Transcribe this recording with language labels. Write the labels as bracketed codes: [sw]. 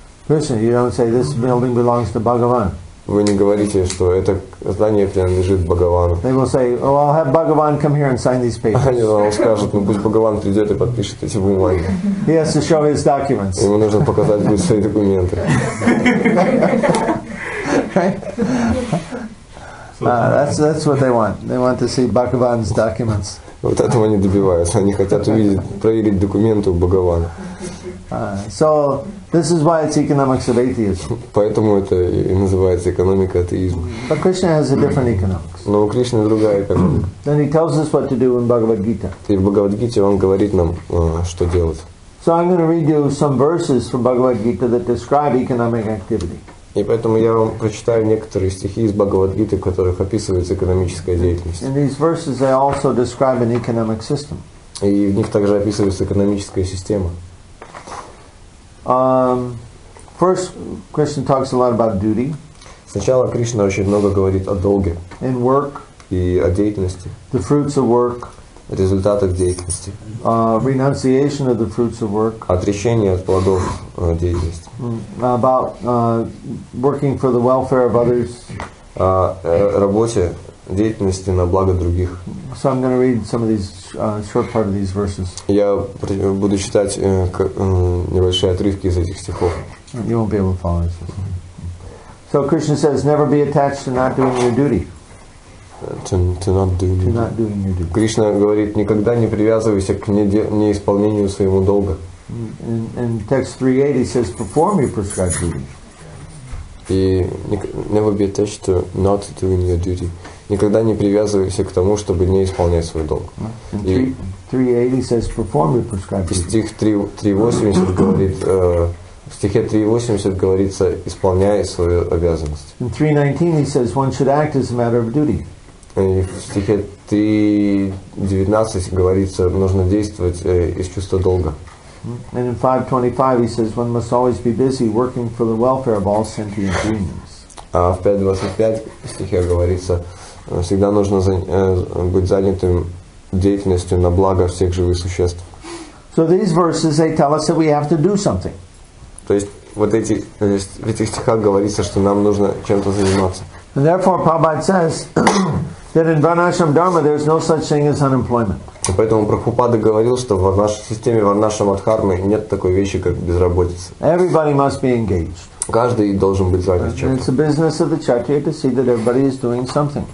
[en] Listen, you don't say this building belongs to Bhagavan. [ru] Вы не говорите, что это здание принадлежит Бхагавану. [en] They will say, "Oh, I'll have Bhagavan come here and sign these papers." [ru] Они вам скажут, ну пусть Бхагаван придет и подпишет эти бумаги. [en] He has to show his documents. [ru] Ему нужно показать свои документы. [en] That's what they want. They want to see Bhagavan's documents. [ru] Вот этого они добиваются. Они хотят увидеть, проверить документы у Бхагавана. [en] So this is why it's economics of atheism. [ru] Поэтому это и называется экономика атеизма. [en] But Krishna has a different economics. [ru] Но у Кришны другая экономика. [en] Then he tells us what to do in Bhagavad Gita. [ru] И в Бхагавад Гите он говорит нам, что делать. [en] So I'm going to read you some verses from Bhagavad Gita that describe economic activity. [ru] И поэтому я вам прочитаю некоторые стихи из Бхагавад-гиты, в которых описывается экономическая деятельность. [en] In these verses they also describe an economic system. [ru] И в них также описывается экономическая система. [en] First, Krishna talks a lot about duty. [ru] Сначала Кришна очень много говорит о долге. [en] And work. [ru] И о деятельности. [en] The fruits of work. [ru] Результатах деятельности. [en] Renunciation of the fruits of work. [ru] Отречение от плодов деятельности. [en] About working for the welfare of others. [ru] Работе, деятельности на благо других. [en] So I'm going to read some of these short part of these verses. [ru] Я буду читать небольшие отрывки из этих стихов. [en] You won't be able to follow this. So Krishna says, never be attached to not doing your duty. To not doing your duty. [ru] Кришна говорит, никогда не привязывайся к неисполнению своему долга. [en] In text 3.8 he says, perform your prescribed duty. И never be attached to not doing your duty. [ru] Никогда не привязывайся к тому, чтобы не исполнять свой долг. [en] In 3.8 he says, perform your prescribed duty. [ru] Стих 3.80 говорит, в стихе 3.80 говорится, исполняя свою обязанность. [en] In 3.19 he says, one should act as a matter of duty. [ru] И в стихе 3.19 говорится, нужно действовать из чувства долга. [en] And in 5.25 he says, one must always be busy working for the welfare of all sentient beings. [ru] А в 5.25 стихе говорится, всегда нужно быть занятым деятельностью на благо всех живых существ. [en] So these verses, they tell us that we have to do something. [ru] То есть, вот эти, в этих стихах говорится, что нам нужно чем-то заниматься. [en] And therefore, Prabhupada says... That in Varnashram Dharma there is no such thing as unemployment. [ru] Поэтому Прабхупада говорил, что в нашей системе Варнашрама Дхармы нет такой вещи, как безработица. [en] Everybody must be engaged. [ru] Каждый должен быть занят чем-то. [en] It's the business of the kshatriya to see that everybody is doing something.